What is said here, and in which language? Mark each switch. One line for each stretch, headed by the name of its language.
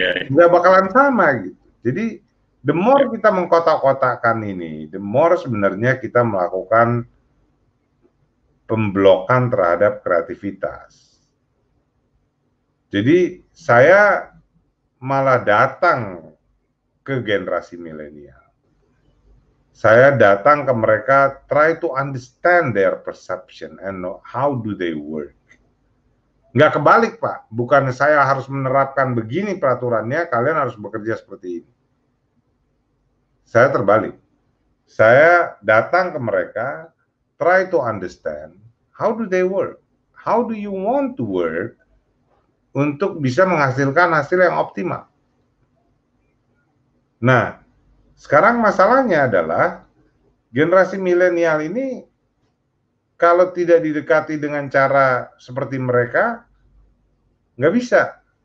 Indonesian: Gak bakalan sama gitu. Jadi,
English: the more
Indonesian: kita mengkotak-kotakkan ini,
English: the more
Indonesian: sebenarnya kita melakukan pemblokan terhadap kreativitas. Jadi, saya malah datang ke generasi milenial. Saya datang ke mereka,
English: try to understand their perception and how do they work.
Indonesian: Nggak kebalik, Pak. Bukan saya harus menerapkan begini peraturannya, kalian harus bekerja seperti ini. Saya terbalik. Saya datang ke mereka,
English: try to understand how do they work. How do you want to work
Indonesian: untuk bisa menghasilkan hasil yang optimal. Nah, sekarang masalahnya adalah generasi milenial ini kalau tidak didekati dengan cara seperti mereka, nggak bisa.